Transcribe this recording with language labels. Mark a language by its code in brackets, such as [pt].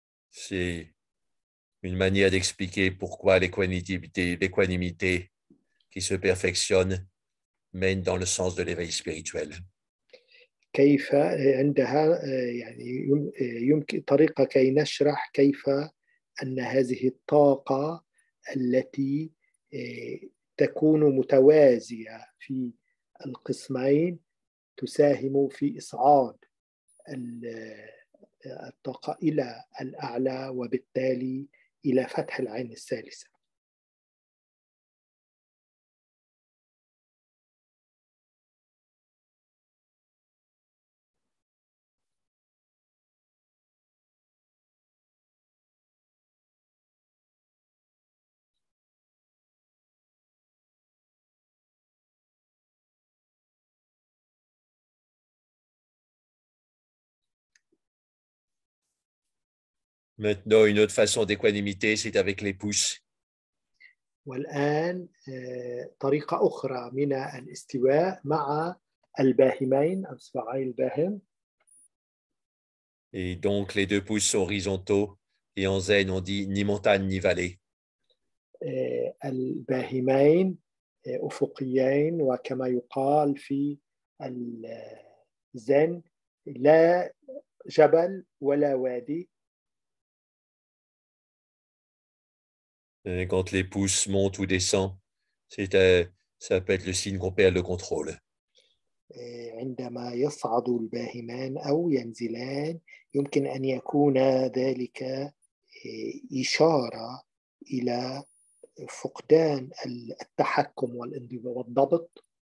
[fr] C'est une manière d'expliquer pourquoi l'équanimité qui se perfectionne mène dans le sens de l'éveil spirituel. [ar] كيف عندها يعني يمكن طريقة كي نشرح كيف أن هذه الطاقة التي تكون متوازية في القسمين تساهم في إصعاد الطاقة إلى الأعلى وبالتالي إلى فتح العين الثالثة. [fr] Maintenant, une autre façon d'équanimité, c'est avec les pouces. [ar] والآن طريقة أخرى من الاستواء مع الباهمين أو صباعي الباهم. [fr] Et donc les deux pouces sont horizontaux et en zen on dit ni montagne ni vallée. [ar] الباهمين أفقيين وكما يقال في الزن لا جبل ولا وادي. [fr] Quand les pouces montent ou descendent, ça peut être le signe qu'on perd le contrôle. [ar] عندما يصعد الباهمان أو ينزلان يمكن أن يكون ذلك إشارة إلى فقدان التحكم والضبط.